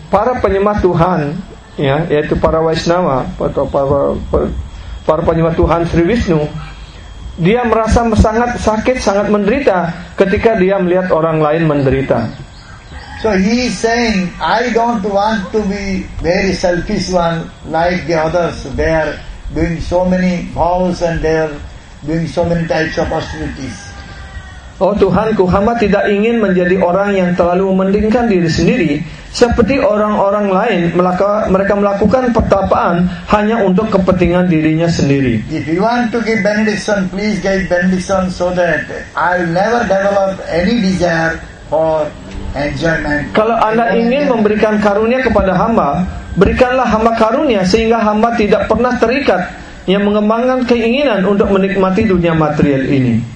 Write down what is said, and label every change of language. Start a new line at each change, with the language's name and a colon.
Indonesian: Para penyembah Tuhan, ya, yeah, yaitu para Vaishnava atau para penyembah Tuhan Sri Vishnu, dia merasa sangat sakit, sangat menderita ketika dia melihat orang lain menderita.
English: So he is saying, I don't want to be very selfish one like the others. They are doing so many vows and they are doing so many types of austerities.
Indonesian: Oh Tuhanku, hamba tidak ingin menjadi orang yang terlalu mementingkan diri sendiri seperti orang-orang lain. Mereka melakukan pertapaan hanya untuk kepentingan dirinya sendiri.
English: If you want to give benediction, please give benediction so that I never develop any desire for enjoyment.
Indonesian: Kalau Anda ingin memberikan karunia kepada hamba, berikanlah hamba karunia sehingga hamba tidak pernah terikat yang mengembangkan keinginan untuk menikmati dunia material ini.